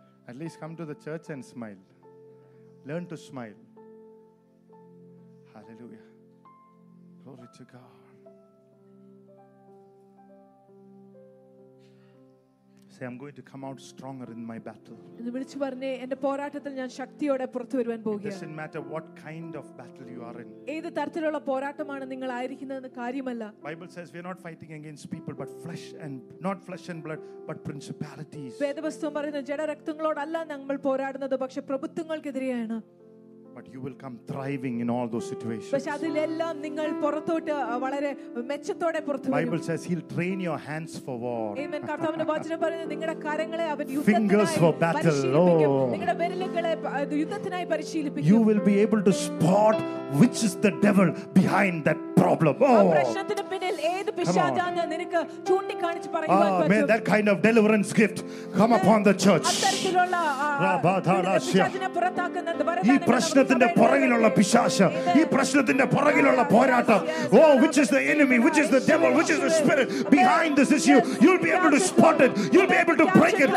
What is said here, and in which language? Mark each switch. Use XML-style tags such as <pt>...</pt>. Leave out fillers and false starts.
<en>At least come to the church and smile. Learn to smile. Hallelujah. Glory to God. Say, I'm going to come out stronger in my battle.</en> <ml>ഇതു വിളിച്ചു പറഞ്ഞു എന്റെ പോരാട്ടത്തിൽ ഞാൻ ശക്തിയോടെ പുറത്തു വരുവാൻ പോവുകയാണ്.</ml> <en>It doesn't matter what kind of battle you are in.</en> <ml>ഏത് തരത്തിലുള്ള പോരാട്ടമാണ് നിങ്ങൾ ആയിരിക്കുന്നതെന്ന് കാര്യമല്ല.</ml> <en>Bible says we are not fighting against people but flesh and not flesh and blood but principalities.</en> <ml>വേദപുസ്തകം പറയുന്നു ജഡരക്തങ്ങളോടല്ല നമ്മൾ പോരാടുന്നത് പക്ഷേ പ്രഭുത്വങ്ങൾക്കെതിരെയാണ്.</ml> <en>But you will come thriving in all those situations.</en> <ml>പക്ഷേ അതിലെല്ലാം നിങ്ങൾ പുറത്തോട്ട് വളരെ മെച്ചത്തോടെ പുറത്തു വരും.</ml> <en>Bible says he'll train your hands for war.</en> <ml>ആമേൻ. കർത്താവിന്റെ വചനം പറയുന്നു നിങ്ങളുടെ കരങ്ങളെ അവൻ യുദ്ധത്തിനായി</ml> <en>fingers for battle.</en> <ml>നിങ്ങളുടെ വിരലുകളെ യുദ്ധത്തിനായി പരിശീലിപ്പിക്കും.</ml> <en>You will be able to spot which is the devil behind that problem.</en> <ml>ആ പ്രശ്നത്തിന് പിന്നിൽ ഏത് പിശാചാണ് നിനക്ക് ചൂണ്ടി കാണിച്ച് പറയുവാൻ പറ്റും. ആമേൻ.</ml> <en>That kind of deliverance gift come upon the church.</en> <ml>അത്തരത്തിലുള്ള രാബാധാനാശ്യ ഈ പുറത്താക്കുന്നത് വരദാനം പ്രശ്നത്തിന്റെ പുറകിലുള്ള പിശാച്, ഈ പ്രശ്നത്തിന്റെ പുറകിലുള്ള പോരാട്ടം.</ml> <en>Oh, which is the enemy, which is the devil, which is the spirit behind this issue, you'll be able to spot it, you'll be able to break it.</en>